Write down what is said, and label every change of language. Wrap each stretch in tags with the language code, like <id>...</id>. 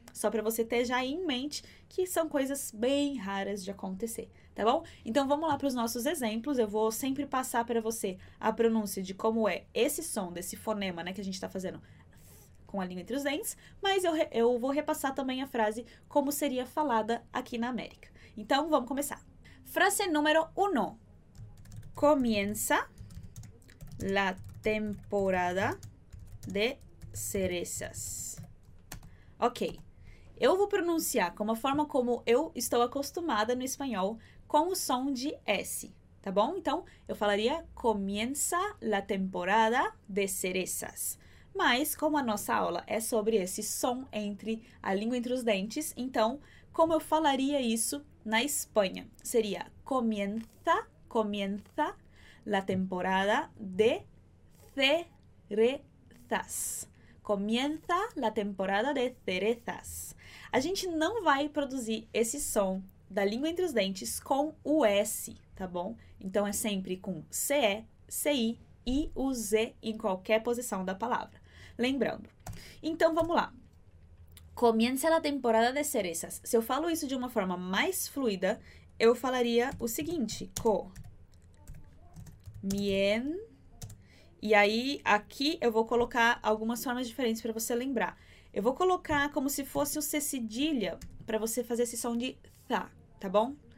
<pt>Só para você ter já em mente que são coisas bem raras de acontecer, tá bom? Então, vamos lá para os nossos exemplos. Eu vou sempre passar para você a pronúncia de como é esse som, desse fonema, né, que a gente está fazendo com a língua entre os dentes, mas eu vou repassar também a frase como seria falada aqui na América. Então, vamos começar. Frase número 1.</pt> <es>Comienza la temporada de cerezas.</es> <pt>Ok. Eu vou pronunciar como a forma como eu estou acostumada no espanhol, com o som de S. Tá bom? Então, eu falaria</pt> <es>comienza la temporada de cerezas.</es> <pt>Mas, como a nossa aula é sobre esse som entre a língua entre os dentes, então, como eu falaria isso na Espanha?</pt> <es>Seria comienza la temporada de cerezas. Comienza la temporada de cerezas.</es> <pt>A gente não vai produzir esse som da língua entre os dentes com o S, tá bom? Então é sempre com CE, CI e o Z em qualquer posição da palavra. Lembrando. Então vamos lá.</pt> <es>Comienza la temporada de cerezas.</es> <pt>Se eu falo isso de uma forma mais fluida, eu falaria o seguinte: co. Mien. E aí, aqui eu vou colocar algumas formas diferentes para você lembrar. Eu vou colocar como se fosse o C cedilha para você fazer esse som de tha, tá bom?</pt>